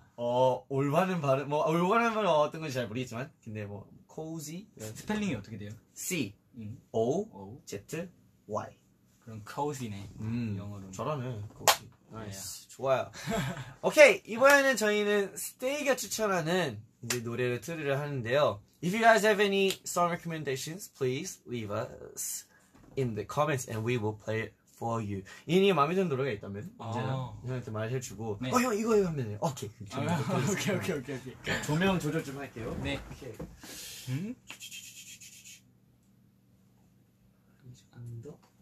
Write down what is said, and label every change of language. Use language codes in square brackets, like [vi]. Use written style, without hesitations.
[ko] 어 올바른 발음 뭐 올바른 발음 어떤 건지 잘 모르겠지만 근데 뭐 cozy 스펠링이 어떻게 돼요? c o z y 그럼 cozy네. 영어로 잘하네. cozy. 나이스. 좋아요. 오케이 이번에는 저희는 스테이가 추천하는 이제 노래를 틀으려 하는데요. [en] If you guys have any song recommendations, please leave us in the comments and we will play it for you. [ko] 이니 마음에 드는 노래가 있다면 이제 형한테 말해주고. 네. 어 형 이거 이거 하면 돼요. 오케이. 오케이 오케이 오케이 오케이. 조명 조절 좀 할게요. 네. 오케이. 안도.